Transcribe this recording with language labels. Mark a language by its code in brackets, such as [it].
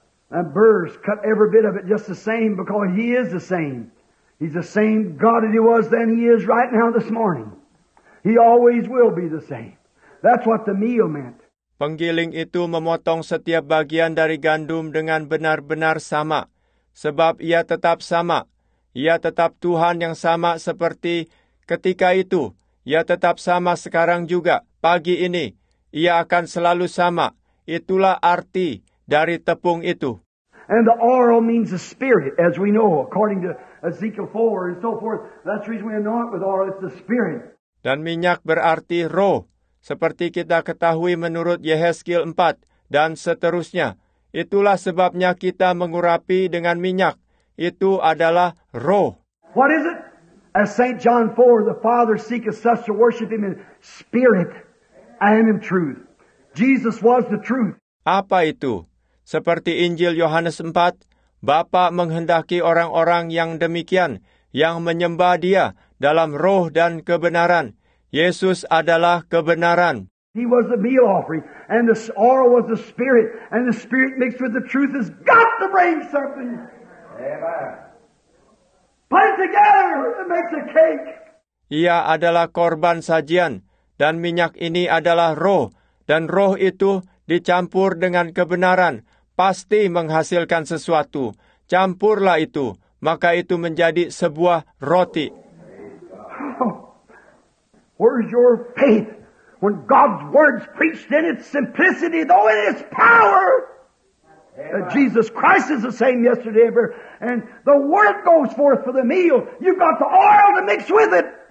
[en] And burrs cut every bit of it just the same because He is the same. He's the same God that He was then, He is right now this morning. He always will be the same. That's what the meal meant. [id] Penggiling itu memotong setiap bagian dari gandum dengan benar-benar sama. Sebab Ia tetap sama. Ia tetap Tuhan yang sama seperti ketika itu. Ia tetap sama sekarang juga, pagi ini. Ia akan selalu sama. Itulah arti dari tepung itu. [en] And the oil means the spirit, as we know, according to Ezekiel 4 and so forth. That's the reason we anoint with oil, it's the spirit. [id] Dan minyak berarti roh, seperti kita ketahui menurut Yehezkiel 4 dan seterusnya. Itulah sebabnya kita mengurapi dengan minyak. Itu adalah roh. [en] What is it? As St. John 4, the Father seeketh such to worship Him in spirit and in truth. Jesus was the truth. [id] Apa itu? Seperti Injil Yohanes 4, Bapa menghendaki orang-orang yang demikian, yang menyembah Dia dalam roh dan kebenaran. Yesus adalah kebenaran. [en] He was the meal offering, and the oil was the spirit, and the spirit mixed with the truth has got to bring something. Amen. Put it together, it makes a cake. [id] Ia adalah korban sajian, dan minyak ini adalah roh, dan roh itu dicampur dengan kebenaran, pasti menghasilkan sesuatu. Campurlah itu, maka itu menjadi sebuah roti. [en] Where's your faith when God's words preached in its simplicity, though in its power? Jesus Christ is the same yesterday, ever, and the word goes forth for the meal. You've got the oil to mix with it.